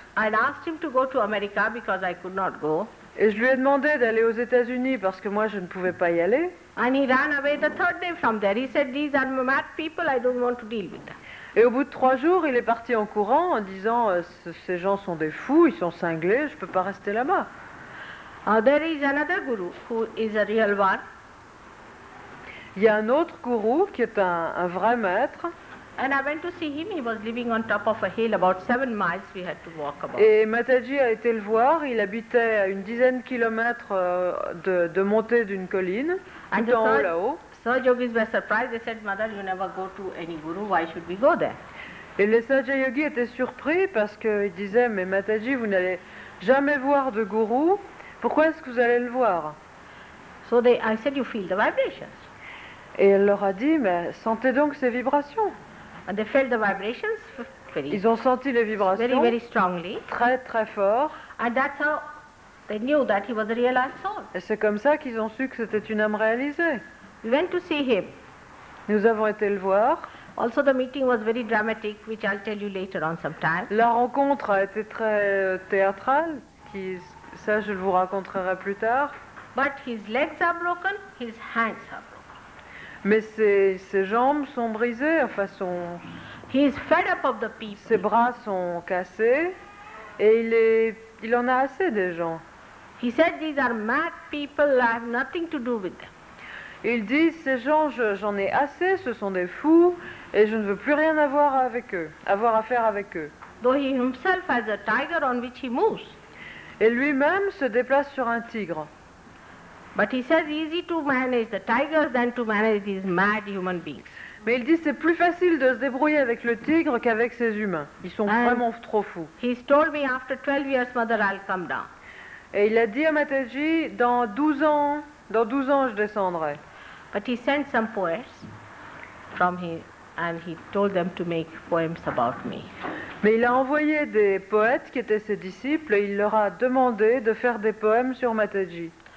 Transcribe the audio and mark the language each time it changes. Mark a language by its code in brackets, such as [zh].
[en] I asked him to go to America because I could not go. [fr] Et je lui ai demandé d'aller aux États-Unis parce que moi, je ne pouvais pas y aller. [en] And he ran away the third day from there. He said, these are mad people, I don't want to deal with them. [fr] Et au bout de trois jours, il est parti en courant en disant, ces gens sont des fous, ils sont cinglés, je ne peux pas rester là-bas. [en] There is another guru who is a real one. [fr] Il y a un autre gourou qui est un vrai maître. [en] And I went to see him. He was living on top of a hill, about 7 miles. We had to walk about. [fr] Et Mataji a été le voir. Il habitait à une dizaine de kilomètres de montée d'une colline, [en] and [fr] tout en haut là-haut. [en] So yogis were surprised. They said, "Mother, you never go to any guru. Why should we go there?" [fr] Et les sages yogis étaient surpris parce qu'ils disaient, "Mais Mataji, vous n'allez jamais voir de gourou. Pourquoi est-ce que vous allez le voir?" [en] So they, I said, "You feel the vibrations." [fr] Et elle leur a dit, "Mais sentez donc ces vibrations." [en] And they felt the vibrations very, [fr] ils ont senti les vibrations [en] very, very strongly. [fr] Très très fort. [en] And that's how they knew that he was a realized soul. [fr] Et c'est comme ça qu'ils ont su que c'était une âme réalisée. [en] We went to see him. [fr] Nous avons été le voir. [en] Also the meeting was very dramatic, which I'll tell you later on sometime. [fr] La rencontre a été très théâtrale, qui, ça je vous raconterai plus tard. [en] But his legs are broken, his hands are broken. [fr] Mais ses jambes sont brisées, enfin son... [en] He is fed up of the people. [fr] Ses bras sont cassés et il en a assez des gens. [en] He said, these are mad people, I have nothing to do with them. [fr] Il dit, ces gens, j'en ai assez, ce sont des fous et je ne veux plus rien avoir avec eux, avoir à faire avec eux. [en] Though he himself has a tiger on which he moves. [fr] Et lui-même se déplace sur un tigre. [en] But he says easy to manage the tigers than to manage these mad human beings. [fr] Mais il dit c'est plus facile de se débrouiller avec le tigre qu'avec ces humains. Ils sont [en] and [fr] vraiment trop fous. [en] He told me after 12 years, mother, I'll come down. [fr] Et il a dit à Mataji, dans 12 ans je descendrai. [en] But he sent some poets from him and he told them to make poems about me. [fr] Mais il a envoyé des poètes qui étaient ses disciples et il leur a demandé de faire des poèmes sur Mataji.